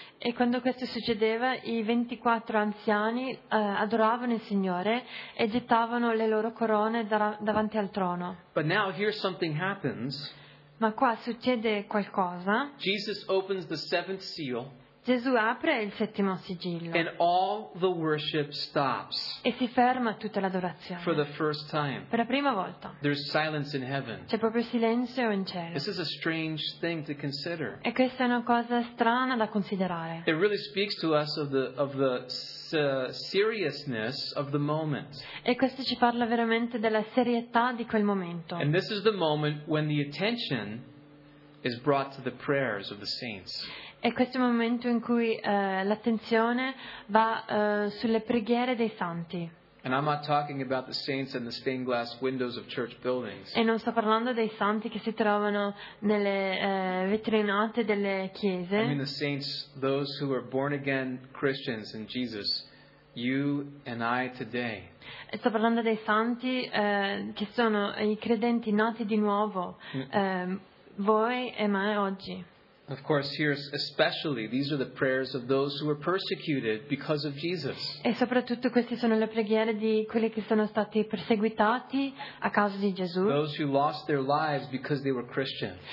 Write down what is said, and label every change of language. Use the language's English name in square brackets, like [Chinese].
[Italian] E quando questo succedeva, i 24 anziani adoravano il Signore e gettavano le loro corone davanti al trono. [English] But now here something happens. [Italian] Ma qua succede qualcosa. [English] Jesus opens the seventh seal. [Italian] Gesù apre il settimo sigillo. [English] And all the worship stops. [Italian] E si ferma tutta l'adorazione. [English] For the first time. [Italian] Per la prima volta. [English] There's silence in heaven. [Italian] C'è proprio silenzio in cielo. [English] This is a strange thing to consider. [Italian] E questa è una cosa strana da considerare. [English] It really speaks to us of the seriousness of the moment. [Italian] E questo ci parla veramente della serietà di quel momento. [English] And this is the moment when the attention is brought to the prayers of the saints. [Italian] E questo è il momento in cui l'attenzione va sulle preghiere dei santi. [English] And I'm not talking about the saints and the stained glass windows of church buildings. [Italian] E non sto parlando dei santi che si trovano nelle vetrinate delle chiese. [English] I mean the saints, those who are born again Christians in Jesus, you and I today. [Italian] E sto parlando dei santi che sono i credenti nati di nuovo, voi e me oggi. [English] Of course, here especially, these are the prayers of those who were persecuted because of Jesus. [Italian] E soprattutto queste sono le preghiere di quelli che sono stati perseguitati a causa di Gesù. [English] Those who lost their lives because they were Christian.